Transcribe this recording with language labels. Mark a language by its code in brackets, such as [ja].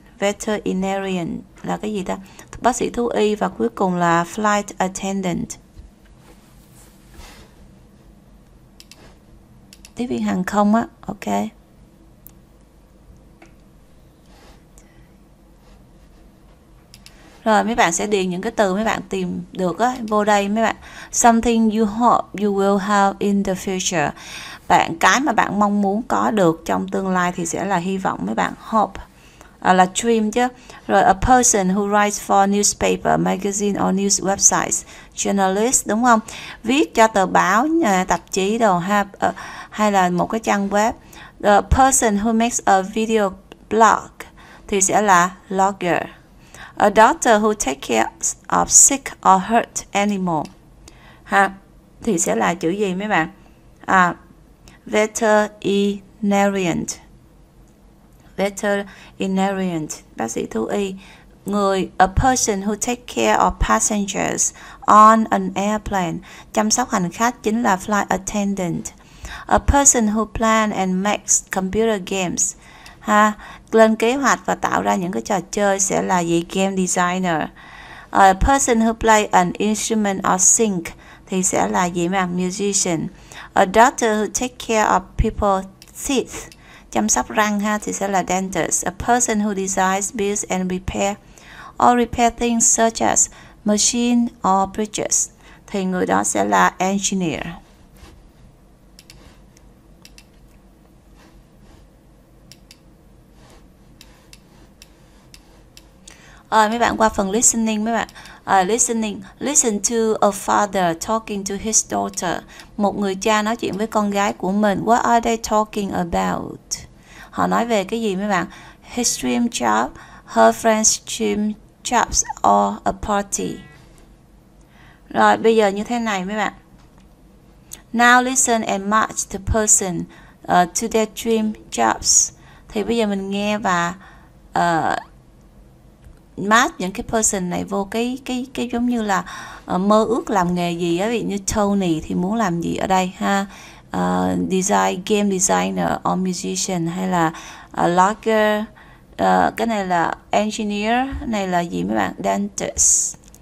[vi] veterinarian là cái gì ta? Bác sĩ thú y, và cuối cùng là flight attendant, tiếp viên hàng không á. Ok. Rồi mấy bạn sẽ điền những cái từ mấy bạn tìm được á, vô đây mấy bạn. [en] Something you hope you will have in the future. [vi] Bạn, cái mà bạn mong muốn có được trong tương lai thì sẽ là hy vọng mấy bạn. [en] Hope [vi] là [en] dream [vi] chứ. Rồi [en] a person who writes for newspaper, magazine or news websites. [vi] Journalist đúng không? Viết cho tờ báo, nhà tạp chí đồ ha, hay là một cái trang web. [en] The person who makes a video blog [vi] thì sẽ là [en] blogger. A doctor who takes care of sick or hurt animal. [vi] Ha, thì sẽ là chữ gì mấy bạn? À, veterinarian. [en] Veterinarian, [vi] bác sĩ thú y. Người, [en] a person who takes care of passengers on an airplane, [vi] chăm sóc hành khách, chính là [en] flight attendant. A person who plans and makes computer games. [vi] Ha, lên kế hoạch và tạo ra những cái trò chơi sẽ là gì? [en] Game designer. A person who plays an instrument or sing [vi] thì sẽ là gì mà? [en] Musician. A doctor who takes care of people's teeth, [vi] chăm sóc răng ha, thì sẽ là [en] dentist. A person who designs, builds and repair or repair things such as machine or bridges [vi] thì người đó sẽ là [en] engineer. [vi] Mấy bạn qua phần [en] listening [vi] mấy bạn. [en] Listening, listen to a father talking to his daughter. [vi] Một người cha nói chuyện với con gái của mình. [en] What are they talking about? [vi] Họ nói về cái gì mấy bạn? [en] His dream job, her friend's dream jobs or a party. [vi] Rồi bây giờ như thế này mấy bạn. [en] Now listen and match the person to their dream jobs. [vi] Thì bây giờ mình nghe và match những cái person này vô cái giống như là mơ ước làm nghề gì á, ví dụ như Tony thì muốn làm gì ở đây ha, design, game designer or musician, hay là logger, cái này là engineer, này là gì mấy bạn, dentist.